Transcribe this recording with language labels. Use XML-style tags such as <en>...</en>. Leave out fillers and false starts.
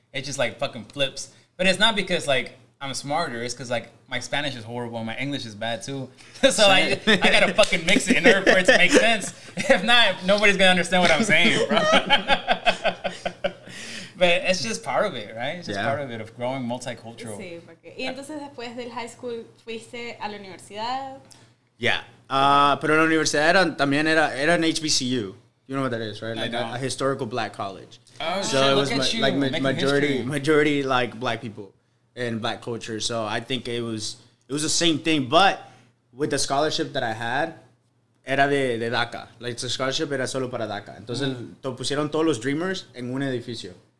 <en>It just like fucking flips. But it's not because like I'm smarter. It's because like my Spanish is horrible and my English is bad too. So like, I gotta fucking mix it in order for it to make sense. If not, nobody's gonna understand what I'm saying, bro. But it's just part of it, right? It's just part of it, of growing multicultural.</en> <es>Sí, porque... Y entonces después del</es> <en>high school,</en> <es>¿fuiste a la universidad?</es> <en>Yeah.</en> <es>Pero la universidad era, también era</es> <en>an HBCU. You know what that is, right? Like a historical black college. Oh, so shit, it was look at you. Like majority history. Like black people and black culture. So I think it was the same thing. But with the scholarship that I had,</en> <es>era de DACA.</es> <en>Like the scholarship</en> <es>era solo para</es> <en>DACA.</en> <es>Entonces te pusieron todos los dreamers en un edificio.</es>